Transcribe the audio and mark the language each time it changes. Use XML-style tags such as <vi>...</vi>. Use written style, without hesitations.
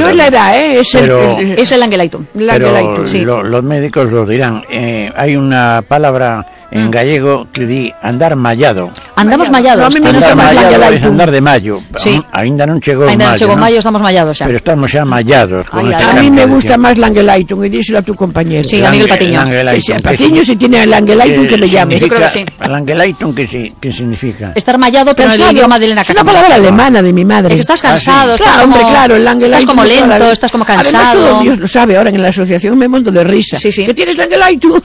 <es>Y no es la edad, ¿eh? Es el</es> <de>Langeleitung.</de> <es>Pero sí. Los médicos lo dirán. Hay una palabra en gallego que di</es> <gl>andar mallado. Andamos mallados.</gl> <es>Andar de mayo. Sí.</es> <gl>Ainda non chegou mayo. Ainda non chegou mayo, estamos mallados xa. Pero estamos xa mallados.</gl> <es>A mí me gusta máis Langeleitung, e díselo a tu compañero. Sí, a Miguel Patiño. Patiño, se tiene Langeleitung, que me llame. Yo creo que sí. Langeleitung, que sí. ¿Qué significa? Estar mallado, pero en el idioma de Elena Cácamo. Es una palabra alemana de mi madre. Es que estás cansado. Claro, hombre, claro. Estás como lento, estás como cansado. Además, todo Dios lo sabe. Ahora en la asociación me monto de risa. Sí, sí. ¿Qué tienes Langeleitung?</es>